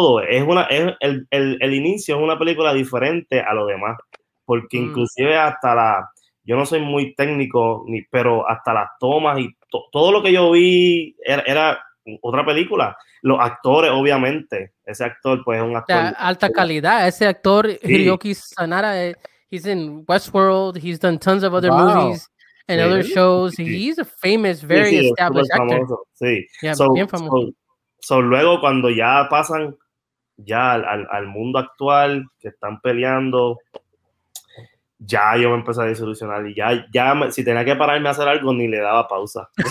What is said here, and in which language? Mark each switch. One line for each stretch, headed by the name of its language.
Spanish: El inicio es una película diferente a lo demás, porque inclusive hasta la, yo no soy muy técnico, pero hasta las tomas y todo lo que yo vi era otra película. Los actores, obviamente, ese actor pues es un actor de alta calidad. Ese actor, sí.
English: Hiroki Sanada, he's in Westworld, he's done tons of other movies and other shows. He's a famous, very established actor.
Spanish: Famoso. Sí,
English: yeah, so,
Spanish: bien famoso.
English: So,
Spanish: luego cuando ya pasan ya al mundo actual, que están peleando, ya yo me empecé a desilusionar y ya me, si tenía que pararme a hacer algo, ni le daba pausa.